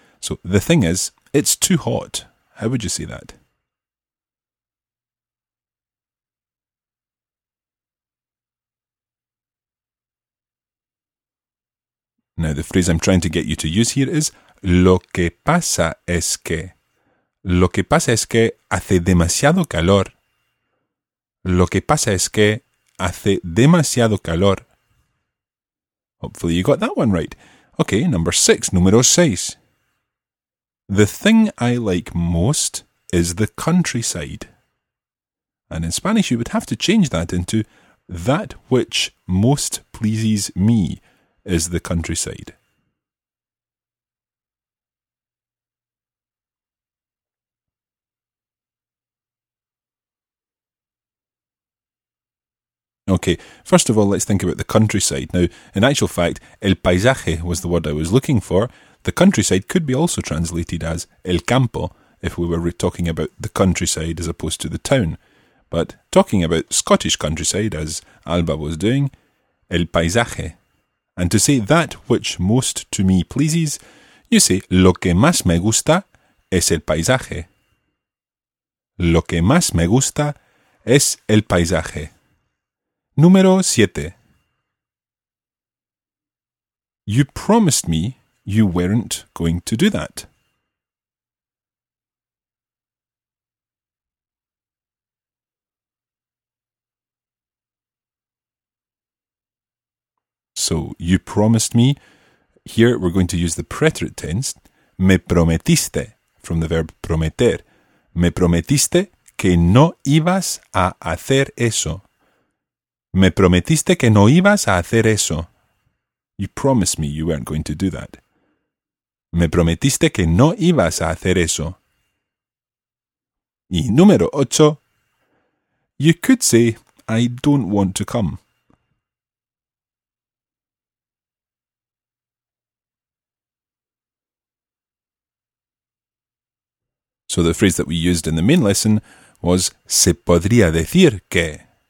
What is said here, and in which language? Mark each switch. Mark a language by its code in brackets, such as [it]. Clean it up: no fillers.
[en] So the thing is, it's too hot. How would you say that? Now, the phrase I'm trying to get you to use here is [es] lo que pasa es que. Lo que pasa es que hace demasiado calor. Lo que pasa es que hace demasiado calor. [en] Hopefully you got that one right. Okay, number six, [es] número seis. [en] The thing I like most is the countryside. And in Spanish, you would have to change that into that which most pleases me. Is the countryside. Okay, first of all, let's think about the countryside. Now, in actual fact, el paisaje was the word I was looking for. The countryside could be also translated as el campo if we were talking about the countryside as opposed to the town. But talking about Scottish countryside, as Alba was doing, el paisaje. And to say that which most to me pleases, You see, [es] lo que más me gusta es el paisaje. Lo que más me gusta es el paisaje. Número 7. [en] You promised me you weren't going to do that. So, you promised me, here we're going to use the preterite tense, me prometiste, from the verb prometer. [es] Me prometiste que no ibas a hacer eso. Me prometiste que no ibas a hacer eso. [en] You promised me you weren't going to do that. [es] Me prometiste que no ibas a hacer eso. Y número 8. [en] You could say, I don't want to come. So the phrase that we used in the main lesson was [es] se podría decir que.